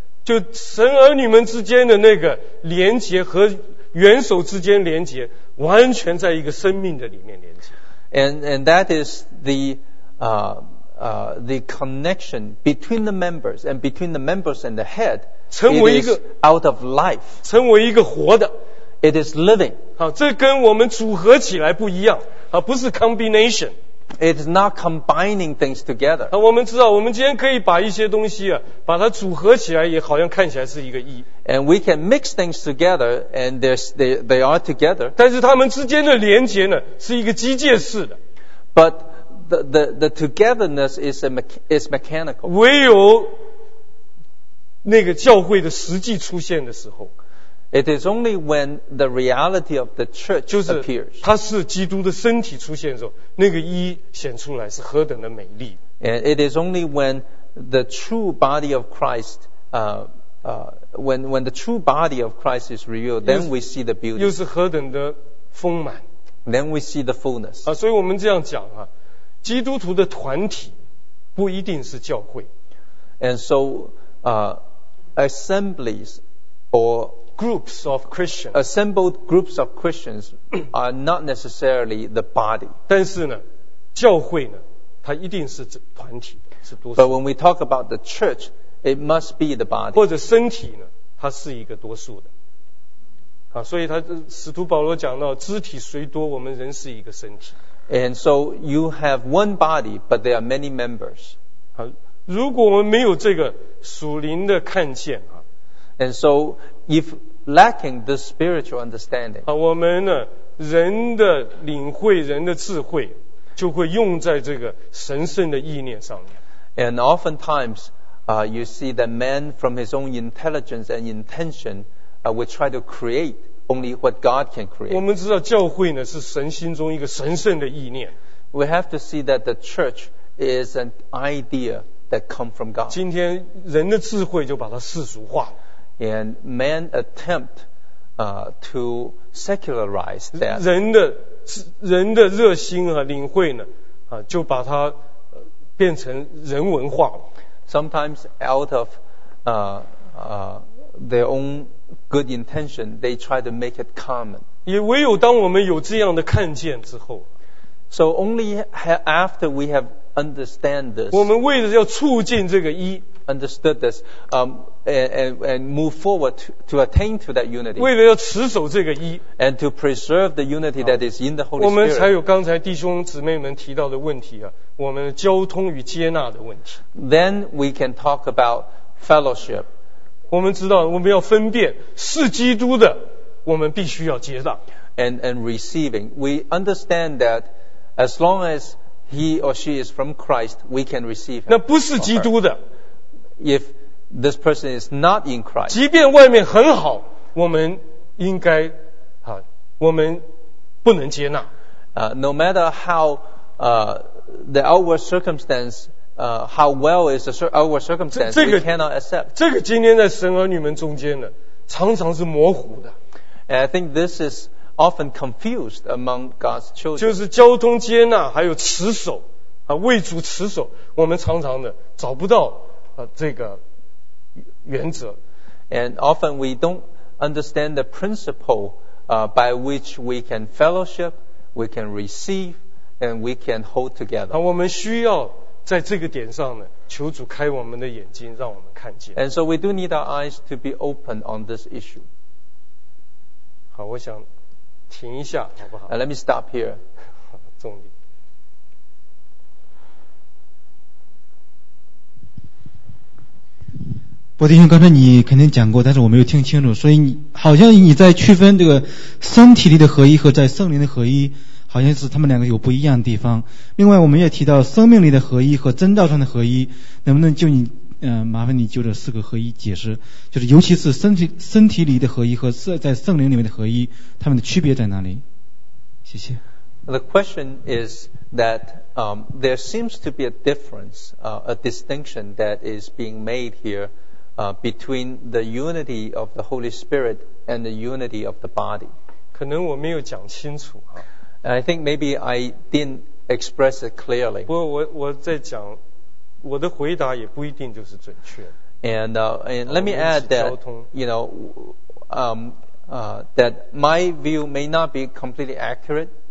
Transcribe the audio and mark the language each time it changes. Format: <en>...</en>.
<zh>就神儿女们之间的那个连结和元首之间连结，完全在一个生命的里面连结。</zh> <en>And that is the connection between the members and between the members and the head.</en> <zh>成为一个</zh> <en>out of life.</en> <zh>成为一个活的。</zh> <en>It is living.</en> <zh>好，这跟我们组合起来不一样。啊，不是 combination.</zh> <en>It is not combining things together.</en> <zh>我们知道，我们今天可以把一些东西啊，把它组合起来，也好像看起来是一个一。</zh> <en>And we can mix things together, and they are together.</en> <zh>但是它们之间的连结呢，是一个机械式的。</zh> <en>But the togetherness is mechanical.</en> <zh>唯有那个教会的实际出现的时候。</zh> <en>It is only when the reality of the church appears.</en> <zh>就是它是基督的身体出现的时候，那个一显出来是何等的美丽。</zh> <en>And it is only when the true body of Christ, when the true body of Christ is revealed, then we see the beauty.</en> <zh>又是何等的丰满。</zh> <en>Then we see the fullness.</en> <zh>所以我们这样讲啊，基督徒的团体不一定是教会。</zh> <en>And so, assemblies or groups of Christians. Assembled groups of Christians are not necessarily the body.</en> <zh>但是呢，教会呢，它一定是指团体的，是多数。</zh> <en>But when we talk about the church, it must be the body.</en> <zh>或者身体呢，它是一个多数的。啊，所以他使徒保罗讲到，肢体虽多，我们人是一个身体。</zh> <en>And so you have one body, but there are many members.</en> <zh>啊，如果我们没有这个属灵的看见啊。</zh> <en>And so, if lacking this spiritual understanding,</en> <zh>我们呢，人的领会，人的智慧，就会用在这个神圣的意念上面。</zh> <en>And oftentimes, you see that man from his own intelligence and intention, will try to create only what God can create.</en> <zh>我们知道教会呢，是神心中一个神圣的意念。</zh> <en>We have to see that the church is an idea that comes from God.</en> <zh>今天人的智慧就把它世俗化了。</zh> <en>And man attempt to secularize that.</en> <zh>人的热心和领会呢，啊，就把它变成人文化了。</zh> <en>Sometimes out of their own good intention, they try to make it common.</en> <zh>也唯有当我们有这样的看见之后</zh> <en>，So only after we have understand this.</en> <zh>我们为了要促进这个一。</zh> <en>Understood this, and move forward to attain to that unity.</en> <zh>为了要持守这个一</zh> <en>and to preserve the unity that is in the Holy Spirit.</en> <zh>我们才有刚才弟兄姊妹们提到的问题啊，我们交通与接纳的问题。</zh> <en>Then we can talk about fellowship.</en> <zh>我们知道我们要分辨是基督的，我们必须要接纳。</zh> <en>And receiving, we understand that as long as he or she is from Christ, we can receive.</en> <zh>那不是基督的。</zh> <en>If this person is not in Christ,</en> <zh>即便外面很好，我们应该啊，我们不能接纳。</zh> <en>No matter how the outward circumstance, how well is the outward circumstance, we cannot accept.</en> <zh>这个今天在神儿女们中间呢，常常是模糊的。</zh> <en>And I think this is often confused among God's children.</en> <zh>就是交通接纳，还有持守啊，为主持守，我们常常的找不到。这个原则</zh> <en>and often we don't understand the principle by which we can fellowship, we can receive, and we can hold together.</en> <zh>我们需要在这个点上呢，求主开我们的眼睛，让我们看见。</zh> <en>And so we do need our eyes to be open on this issue.</en> <zh>好，我想停一下，好不好？</zh> <en>Let me stop here.</en> <zh>重点。伯弟兄，刚才你肯定讲过，但是我没有听清楚，所以你好像你在区分这个身体里的合一和在圣灵的合一，好像是他们两个有不一样的地方。另外，我们也提到生命里的合一和真道上的合一，能不能就你麻烦你就这四个合一解释，就是尤其是身体里的合一和在圣灵里面的合一，他们的区别在哪里？谢谢。</zh> <en>The question is that there seems to be a difference, a distinction that is being made here. Between the unity of the Holy Spirit and the unity of the body.</en> <zh>可能我没有讲清楚啊。</zh> <en>I think maybe I didn't express it clearly.</en> <zh>不过我在讲，我的回答也不一定就是准确。</zh> <en>And let me add that, you know, that my view may not be completely accurate.</en>